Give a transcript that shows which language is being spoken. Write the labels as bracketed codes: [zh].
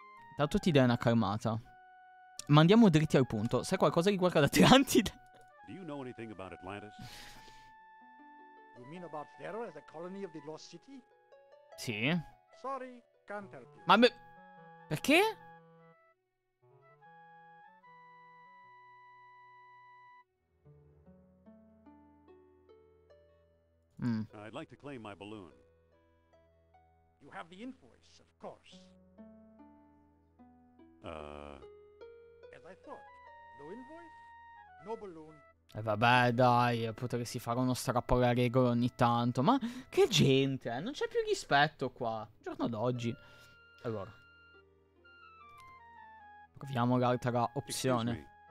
[it] Intanto ti dai una calmata. Ma andiamo dritti al punto. Sai qualcosa riguardo ad Atlantide? [en] Do you know anything about Atlantis? You mean about Terra as a colony of the lost city? [it] Sì. [en] Sorry, can't help you. [it] Ma beh, perché? [en] I'd like to claim my balloon. You have the invoice, of course. As I thought, no invoice, no balloon. [it] E vabbè, dai, potresti fare uno strappo alla regola ogni tanto. Ma che gente, non c'è più rispetto qua. Giorno d'oggi. Allora, proviamo l'altra opzione.